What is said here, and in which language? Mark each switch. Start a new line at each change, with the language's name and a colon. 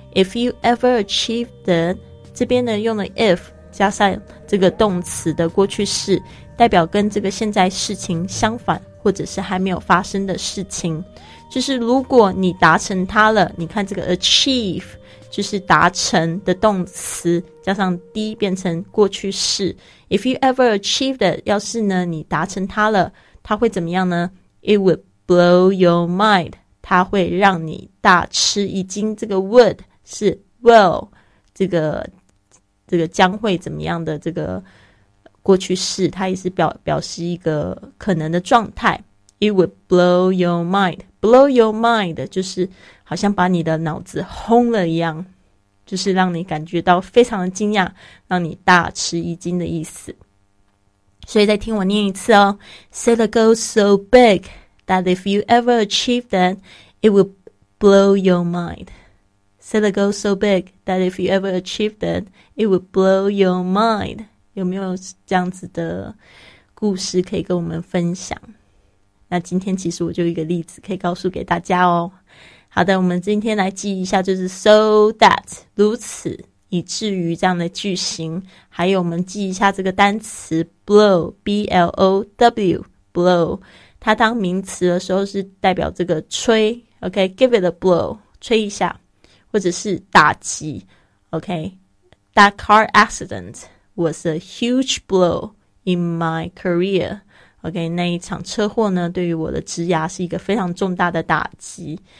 English: If you ever achieved it,
Chinese: 这边呢用了 if 加上这个动词的过去式，代表跟这个现在事情相反，或者是还没有发生的事情。就是如果你达成它了，你看这个 achieve就是达成的动词加上 d 变成过去式。
English: If you ever achieved it,
Chinese: 要是呢你达成它了，它会怎么样呢？
English: It would blow your mind,
Chinese: 它会让你大吃一惊。这个 would 是 will, 这个将会怎么样的这个过去式，它也是表示一个可能的状态。
English: It would blow your mind,
Chinese: blow your mind 就是好像把你的脑子轰了一样，就是让你感觉到非常的惊讶，让你大吃一惊的意思。所以再听我念一次哦。
English: Set a goal so big that if you ever achieve that, it would blow your mind. Set a goal so big that if you ever achieve that, it would blow your mind.
Chinese: 有没有这样子的故事可以跟我们分享？那今天其实我就一个例子可以告诉给大家哦。好的，我们今天来记一下，就是 so that, 如此以至于这样的句型。还有我们记一下这个单词 blow, B-L-O-W, blow, 它当名词的时候是代表这个吹， OK,
English: give it a blow,
Chinese: 吹一下，或者是打击， OK,
English: that car accident was a huge blow in my career,
Chinese: OK, 那一场车祸呢对于我的职涯是一个非常重大的打击。